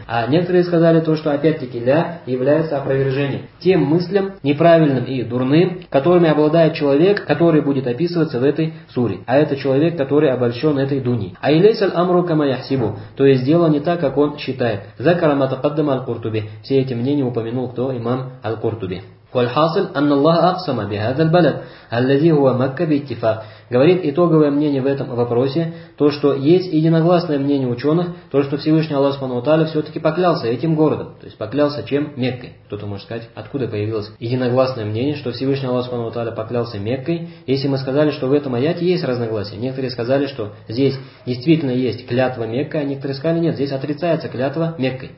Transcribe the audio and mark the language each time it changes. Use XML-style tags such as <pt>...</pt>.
<ru>А некоторые сказали то, что опять-таки «ля» является опровержением тем мыслям неправильным и дурным, которыми обладает человек, который будет описываться в этой суре. А это человек, который обольщен этой дуньей.</ru> <ar>«Айлейса аль-амру кама яхсибу»,</ar> <ru>то есть дело не так, как он считает.</ru> <ar>Закара матакаддама аль-Куртуби.</ar> <ru>Все эти мнения упомянул кто? Имам аль-Куртуби.</ru> <ar>والحاصل أن الله أقسم بهذا البلد الذي هو مكة باتفاق.</ar> <ru>Говорит итоговое мнение в этом вопросе, то, что есть единогласное мнение ученых, то, что Всевышний Аллах Субхану ва Тааля все-таки поклялся этим городом, то есть поклялся чем? Меккой. Кто-то может сказать, откуда появилось единогласное мнение, что Всевышний Аллах Субхану ва Тааля поклялся Меккой. Если мы сказали, что в этом аяте есть разногласия, некоторые сказали, что здесь действительно есть клятва Меккой, а некоторые сказали, нет, здесь отрицается клятва Меккой.</ru>